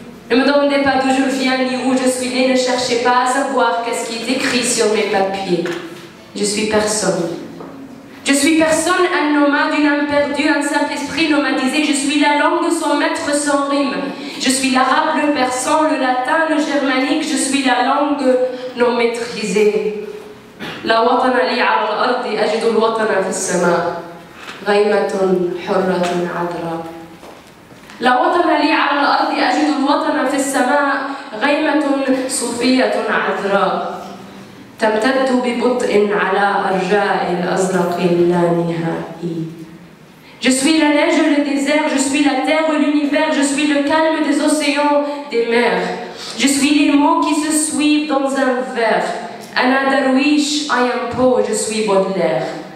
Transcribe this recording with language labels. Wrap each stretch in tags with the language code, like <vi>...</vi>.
<fr>Ne me demandez pas d'où je viens ni où je suis né. Ne cherchez pas à savoir qu'est-ce qui est écrit sur mes papiers. Je suis personne. Je suis personne, un nomade, une âme perdue, un simple esprit nomadisé. Je suis la langue sans maître, sans rime. Je suis l'arabe, le persan, le latin, le germanique. Je suis la langue non maîtrisée.</fr> <ar>لا وطن لي على الأرض أجد الوطن في السماء غيمة حرة عذراء. لا وطن لي على الأرض أجد الوطن في السماء غيمة صوفية عذراء. تمتد ببطء على أرجاء الأزرق اللانهائي.</ar> <fr>Je suis la neige, le désert, je suis la terre, l'univers, je suis le calme des océans, des mers. Je suis les mots qui se suivent dans un vers.</fr> <ar>أنا درويش،</ar> <en>I am poor,</en> <fr>je suis Baudelaire.</fr>